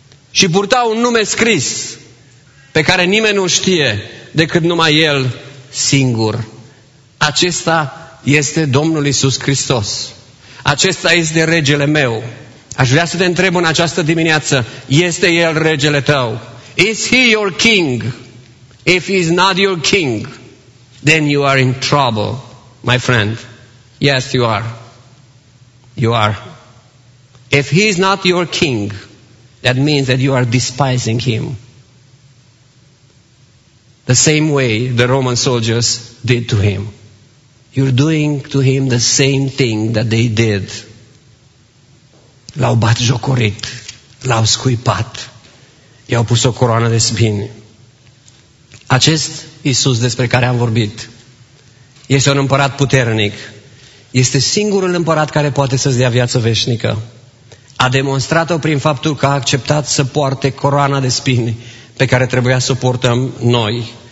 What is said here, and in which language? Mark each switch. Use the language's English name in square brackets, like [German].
[Romanian] Și purta un nume scris pe care nimeni nu știe decât numai el singur. Acesta este Domnul Iisus Hristos. Acesta este regele meu. Aș vrea să te întreb în această dimineață: este el regele tău? [English] Is he your king? If he is not your king, then you are in trouble, my friend. Yes, you are. You are. If he is not your king, that means that you are despising him. The same way the Roman soldiers did to him. You're doing to him the same thing that they did. [Romanian] L-au bat jocorit, l-au scuipat. I-au pus o coroană de spini. Acest Iisus despre care am vorbit este un împărat puternic. Este singurul împărat care poate să-ți dea viață veșnică. A demonstrat-o prin faptul că a acceptat să poarte coroana de spini pe care trebuia să o purtăm noi.